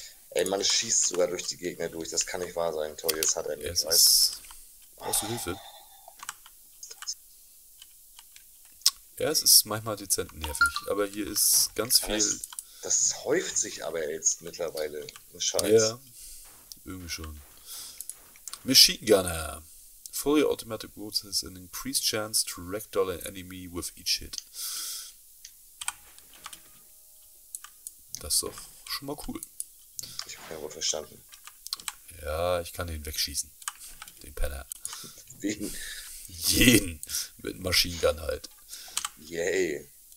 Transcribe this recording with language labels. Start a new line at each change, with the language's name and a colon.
German: Ey, man schießt sogar durch die Gegner durch. Das kann nicht wahr sein. Toll, jetzt hat er nichts. Es ist... Brauchst du Hilfe? Ja, es ist manchmal dezent nervig. Aber hier ist ganz viel... Das häuft sich aber jetzt mittlerweile. Scheiße. Ja, irgendwie schon. Machine Gunner.
English: Fully automatic boots has an increased chance to ragdoll an enemy with each hit.
German: Das ist doch schon mal cool. Ich hab ja wohl verstanden. Ja, ich kann den wegschießen. Den Penner. Wen? Jeden. Mit Machine Gun halt. Yay.